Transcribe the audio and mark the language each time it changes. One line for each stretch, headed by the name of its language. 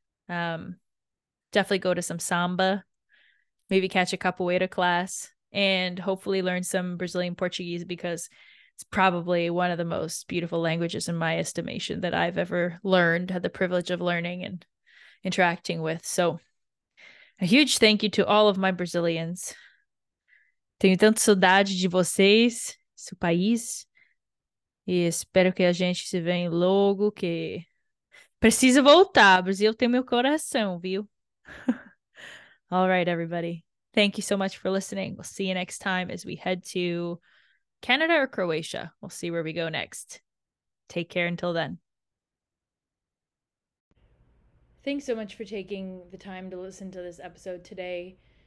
English: Definitely go to some samba, maybe catch a capoeira class, and hopefully learn some Brazilian Portuguese, because it's probably one of the most beautiful languages in my estimation that I've ever learned, had the privilege of learning and interacting with. So a huge thank you to all of my Brazilians.
Portuguese: Tenho tanta saudade de vocês, seu país. E espero que a gente se veja logo, que preciso voltar. Brasil tem meu coração, viu?
English: All right, everybody. Thank you so much for listening. We'll see you next time as we head to Canada or Croatia. We'll see where we go next. Take care until then. Thanks so much for taking the time to listen to this episode today.